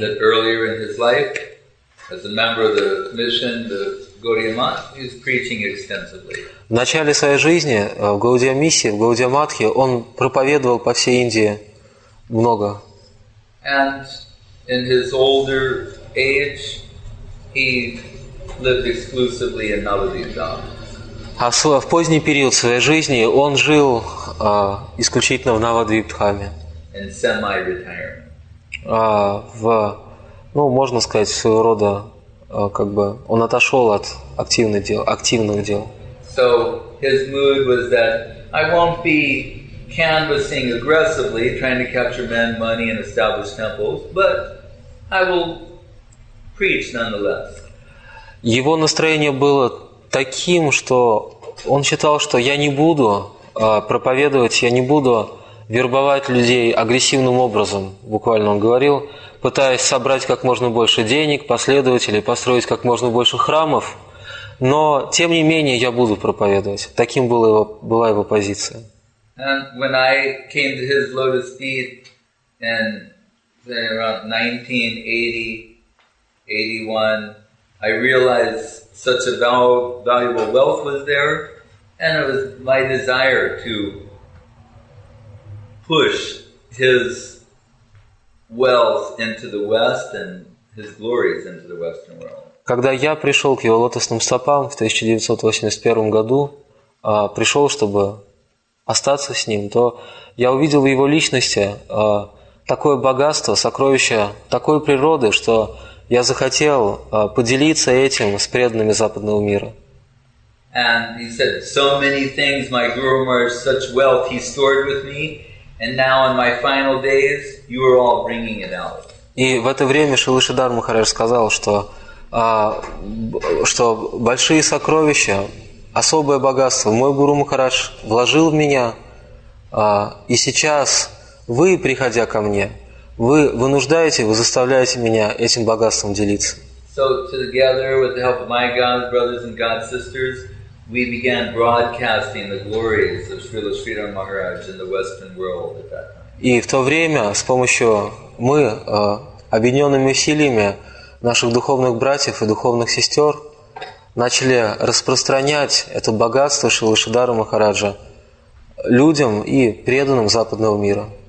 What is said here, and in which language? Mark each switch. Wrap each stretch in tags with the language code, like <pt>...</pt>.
<en>That earlier in his life, as a member of the mission, the Gaudiya Math is preaching extensively.</en> <ru>В начале своей жизни в Гаудия Миссии, в Гаудия Матхе, он проповедовал по всей Индии много.</ru> <en>And in his older age, he lived exclusively in Navadvipa.</en> <ru>А в поздний период своей жизни он жил исключительно в Навадвипхаме.</ru> <en>In semi-retirement.</en> <ru>Можно сказать, своего рода как бы он отошел от активных дел.</ru> <en>So his mood was that I won't be canvassing aggressively, trying to capture men, money, and establish temples, but I will preach nonetheless.</en> <ru>Его настроение было таким, что он считал, что я не буду проповедовать, я не буду вербовать людей агрессивным образом, буквально он говорил, пытаясь собрать как можно больше денег, последователей, построить как можно больше храмов, но, тем не менее, я буду проповедовать. Таким была его позиция.</ru> <en>And when I came to his lotus feet in around 1980-81, I realized such a valuable wealth was there, and it was my desire to push his wealth into the West and his glories into the Western world.</en> <ru>Когда я пришел к его лотосным стопам в 1981 году, пришел, чтобы остаться с ним, то я увидел в его личности такое богатство, сокровище такой природы, что я захотел поделиться этим с преданными западного мира.</ru> <en>And he said, so many things my Guru Maharaj, such wealth he stored with me. And now in my final days, you are all bringing it out.</en> <ru>И в это время Шрила Шридхар Махарадж сказал, что что большие сокровища, особое богатство мой Гуру Махарадж вложил в меня, и сейчас вы, приходя ко мне, вы заставляете меня этим богатством делиться.</ru> <en>So together with the help of my God's brothers and God's sisters, we began broadcasting the glories of Srila Sridhara Maharaj in the Western world at that time.</en> <ru>И в то время с помощью мы объединенными усилиями наших духовных братьев и духовных сестер начали распространять это богатство Шрилы Шридхары Махараджа людям и преданным западного мира.</ru>